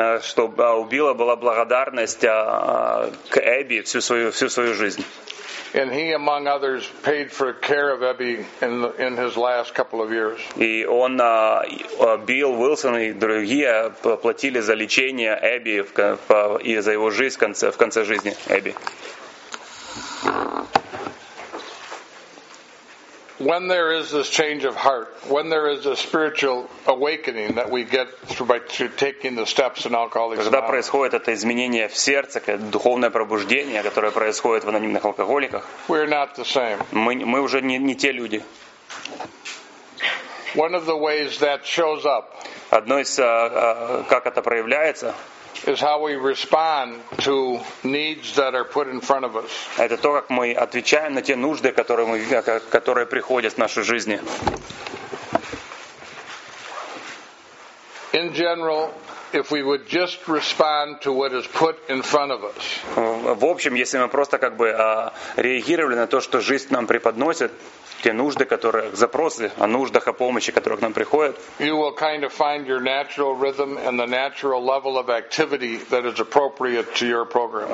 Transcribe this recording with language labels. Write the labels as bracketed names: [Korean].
[Russian] Что у Билла была благодарность к Эбби всю свою жизнь. [English] And he, among others, paid for care of Abby in his last couple of years. [Russian] И он, Билл Уилсон и другие платили за лечение Эбби и за его жизнь в конце жизни Эбби. [English] When there is this change of heart, when there is a spiritual awakening that we get through taking the steps in alcoholics. [Russian] Когда происходит это изменение в сердце, духовное пробуждение, которое происходит в анонимных алкоголиках. [English] We are not the same. [Russian] Мы уже не те люди. [English] One of the ways that shows up. [Russian] Одно из как это проявляется. [English] Is how we respond to needs that are put in front of us. [Russian] Это то, как мы отвечаем на те нужды, которые приходят в нашу жизнь. [English] In general, if we would just respond to what is put in front of us. [Russian] В общем, если мы просто как бы реагировали на то, что жизнь нам преподносит. те нужды, которые, запросы о нуждах, о помощи, которые к нам приходят. [English] You will kind of find your natural rhythm and the natural level of activity that is appropriate to your program.